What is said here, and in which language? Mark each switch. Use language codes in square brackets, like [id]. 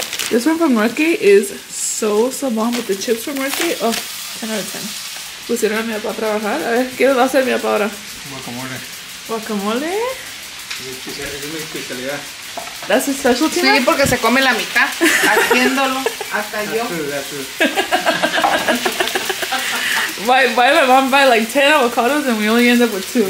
[en] This one from Northgate is so, so bomb with the chips from Northgate. Oh, 10 out of 10. [es] ¿Pusieron a mi papá a trabajar? A ver, ¿qué va a hacer mi papá ahora? Guacamole. [en] That's a special thing. [es] Sí, porque se come la mitad haciéndolo hasta yo. [en] My mom buy like 10 avocados and we only end up with 2.